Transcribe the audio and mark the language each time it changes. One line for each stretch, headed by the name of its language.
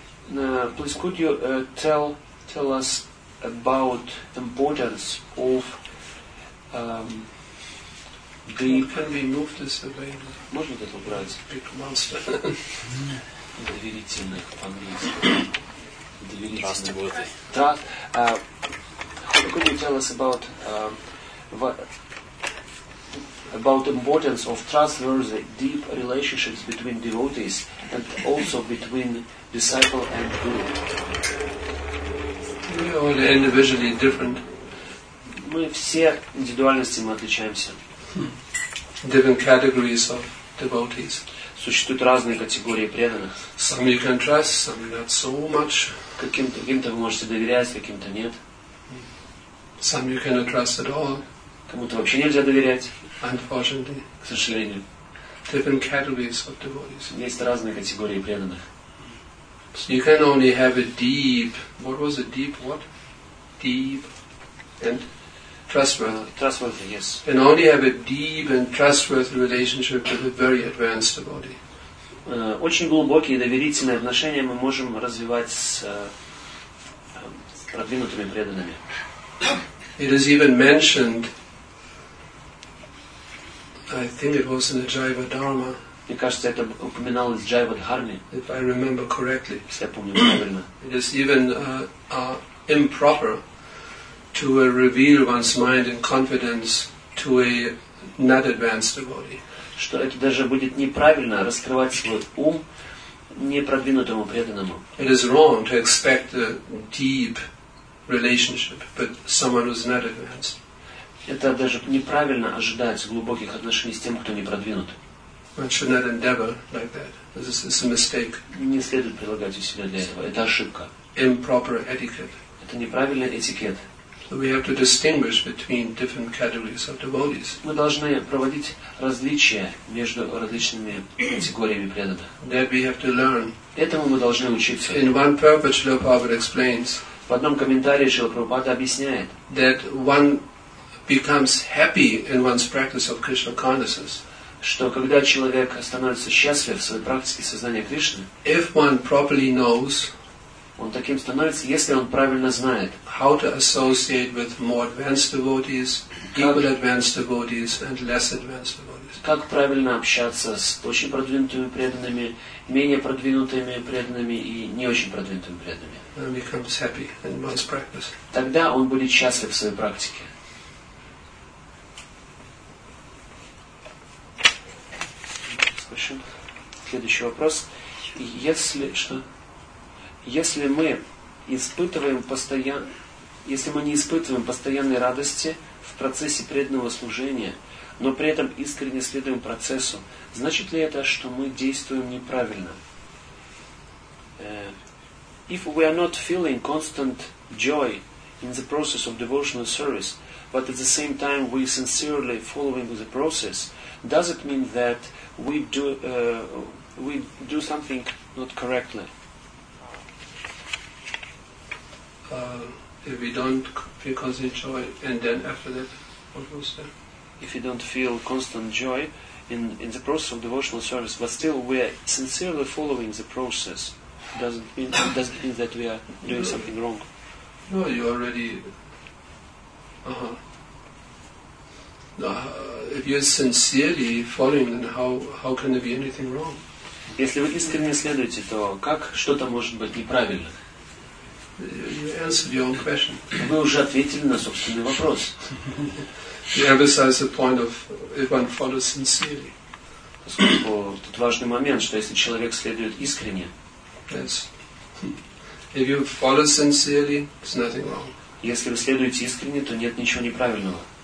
English: Please, could you tell us about importance of deep... Can we move this away?
Russian: Можно вот это убрать?
English: Big monster.
Russian: Доверительных, по-английски. Доверительных. Так,
English: could you tell us about importance of trustworthy, deep relationships between devotees and also between disciple and guru? We are all individually different.
Russian: Мы все индивидуальности мы отличаемся.
English: Different categories of devotees.
Russian: Существуют разные категории преданных.
English: Some you can trust, some not so much.
Russian: Каким-то вы можете доверять, каким-то нет.
English: Some you cannot trust at all.
Russian: Кому-то вообще нельзя доверять.
English: Unfortunately.
Russian: К сожалению.
English: Different categories of devotees.
Russian: Есть разные категории преданных.
English: So you can only have a deep, what was it, deep what? Deep and trustworthy, yes. And only have a deep and trustworthy relationship with a very advanced body.
Russian: Очень глубокие доверительные отношения мы можем развивать с продвинутыми преданными.
English: It is even mentioned, I think it was in the Jiva Dharma.
Russian: Мне кажется, это упоминалось в Джайва Дхарме.
English: If I remember correctly.
Russian: Если я помню правильно.
English: It is even improper to reveal one's mind and confidence to a not advanced devotee.
Russian: Что это даже будет неправильно раскрывать свой ум непродвинутому преданному.
English: It is wrong to expect a deep relationship but someone who's not advanced.
Russian: Это даже неправильно ожидать глубоких отношений с тем, кто не продвинут.
English: One should not endeavor like that. This is a mistake.
Russian: Не следует прилагать усилия для этого. Это ошибка.
English: Improper etiquette.
Russian: Это неправильный этикет.
English: We have to distinguish between different categories of devotees.
Russian: Мы должны проводить различия между различными категориями преданных.
English: That we have to learn.
Russian: Этому мы должны учиться.
English: In one purport, Srila Prabhupada explains.
Russian: В одном комментарии Шрила Прабхупада объясняет.
English: That one becomes happy in one's practice of Krishna consciousness.
Russian: Что когда человек становится счастлив в своей практике сознания Кришны.
English: If one properly knows.
Russian: Он таким становится, если он правильно знает.
English: How to associate with more advanced devotees, equally advanced devotees, and less advanced devotees.
Russian: Как правильно общаться с очень продвинутыми преданными, менее продвинутыми преданными и не очень продвинутыми преданными.
English: And becomes happy in one's practice.
Russian: Тогда он будет счастлив в своей практике.
English: Yes.
Russian: Хорошо. Следующий вопрос. Если мы испытываем постоянно, если мы не испытываем постоянной радости в процессе преданного служения, но при этом искренне следуем процессу, значит ли это, что мы действуем неправильно?
English: If we are not feeling constant joy in the process of devotional service, but at the same time we sincerely following the process, does it mean that we do something not correctly? If we don't feel constant joy, and then after that, what was that? If we don't feel constant joy in the process of devotional service, but still we are sincerely following the process, does it mean that we are doing something wrong? No, you already. If you're sincerely following, then how can there be anything wrong?
Russian: Если вы искренне следуете, то как что-то может быть неправильно?
English: You answered your own question.
Russian: Вы уже ответили на собственный вопрос.
English: You emphasize the point of if one follows sincerely.
Russian: Поскольку тут важный момент, что если человек следует искренне.
English: Yes. If you follow sincerely, there's nothing wrong.
Russian: Если вы следуете искренне, то нет ничего неправильного.